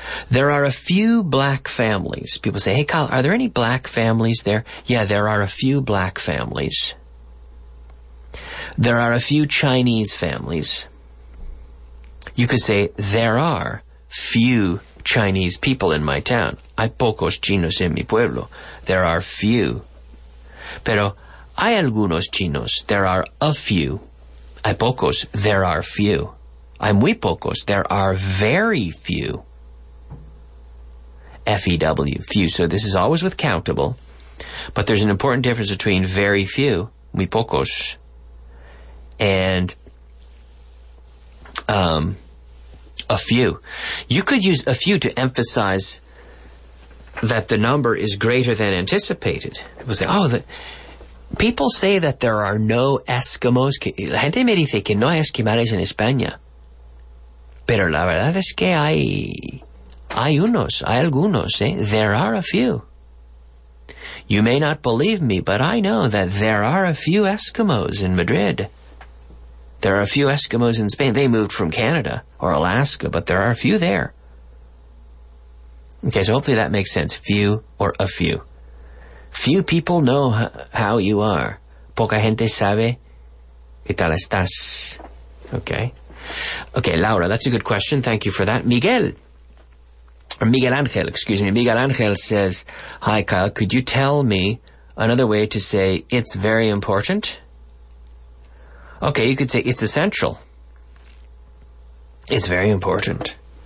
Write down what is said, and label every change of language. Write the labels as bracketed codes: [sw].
[en] There are a few black families. People say, hey, Kyle, are there any black families there? Yeah, there are a few black families. There are a few Chinese families. You could say, there are few Chinese people in my town. [es] Hay pocos chinos en mi pueblo. [en] There are few. [es] Pero hay algunos chinos. [en] There are a few. [es] Hay pocos. [en] There are few. [es] Hay muy pocos. [en] There are very few. F-E-W, few. So this is always with countable. But there's an important difference between very few, [es] muy pocos, [en] and a few. You could use a few to emphasize that the number is greater than anticipated. People say, oh, people say that there are no Eskimos. [es] La gente me dice que no hay Esquimales en España. Pero la verdad es que hay unos, hay algunos. [en] Eh? There are a few. You may not believe me, but I know that there are a few Eskimos in Madrid. There are a few Eskimos in Spain. They moved from Canada or Alaska, but there are a few there. Okay, so hopefully that makes sense. Few or a few. Few people know how you are. [es] Poca gente sabe qué tal estás. Okay. [en] Okay, Laura, that's a good question. Thank you for that. Miguel Angel says, hi, Kyle, could you tell me another way to say it's very important? Okay, you could say it's essential. It's very important.